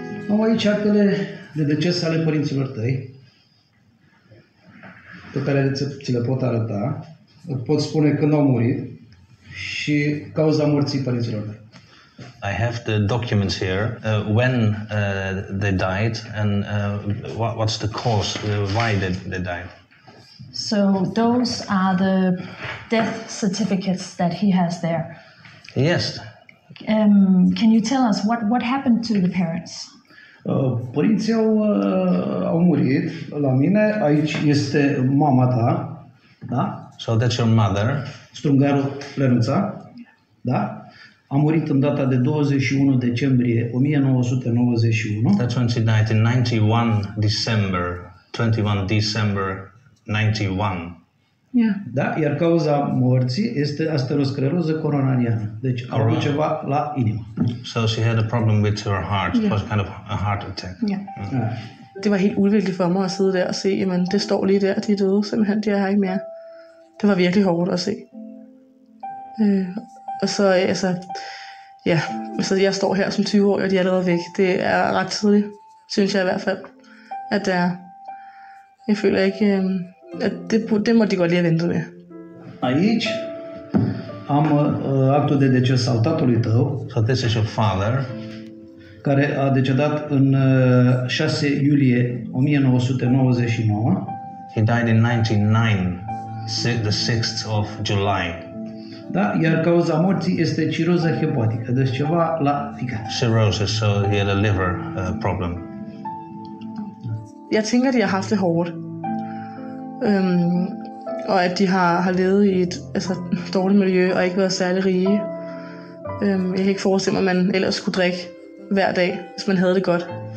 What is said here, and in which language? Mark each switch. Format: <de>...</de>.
<ro>Am aici actele de deces ale părinților tăi, pe care ți le pot arăta. Pot spune când au murit și cauza morții părinților tăi.</ro> <en>I have the documents here, when they died, and what's the cause, why they died. So those are the death certificates that he has there. Yes. Can you tell us what happened to the parents?</en> <ro>Părinții au murit la mine. Aici este mama ta, da?</ro> <en>So that's your mother.</en> <ro>Stungaru Plenuța, da? A murit în data de 21 decembrie 1991.</ro> <en>That's when she died, in 91 December, 21 December 91. Yeah.</en> <ro>Da? Iar cauza morții este ateroscleroză coronariană. Deci a avut ceva la inimă.</ro> <en>So she had a problem with her heart. Yeah. It was kind of a heart attack. Yeah. Yeah.</en> <da>Det var helt uvirkeligt for mig at sidde der og se, jamen det står lige der, de er døde simpelthen, de er her ikke mere. Det var virkelig hårdt at se. Og så, altså, ja, altså, jeg står her som 20-årig, og de er allerede væk. Det er ret tidligt, synes jeg i hvert fald, at det er. Jeg føler ikke, at det må de godt lige have ventet med.</da> <ro>Aici am actul de deces al tatălui tău.</ro> <en>So this is your father.</en> <ro>Care a decedat în 6 iulie 1999.</ro> <en>He died in 99, the 6th of July.</en> <ro>Da, iar cauza morții este ciroză hepatică, deci ceva la ficat.</ro> <en>Cirrhosis, so he had a liver problem.</en> <da>Jeg tænker, at de har haft det hårdt. Og at de har levet i et altså, dårligt miljø og ikke været særlig rige. Jeg kan ikke forestille mig, at man ellers kunne drikke hver dag, hvis man havde det godt.</da>